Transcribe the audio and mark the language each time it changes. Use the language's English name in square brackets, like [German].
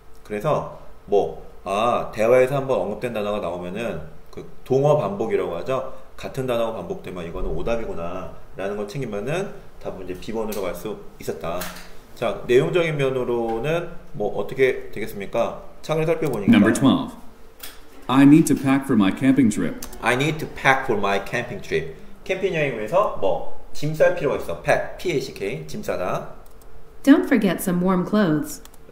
[Korean] 그래서 뭐 아 대화에서 한번 언급된 단어가 나오면은 그 동어 반복이라고 하죠. 같은 단어가 반복되면 이거는 오답이구나 라는 걸 챙기면은 답은 이제 B번으로 갈 수 있었다. 자 내용적인 면으로는 뭐 어떻게 되겠습니까? 창을 살펴보니까 [English] Number 12 I need to pack for my camping trip. I need to pack for my camping trip. [Korean] 캠핑 여행을 위해서 뭐 짐 쌀 필요가 있어. Pack, P-A-C-K, 짐 싸다. [English] Don't forget some warm clothes.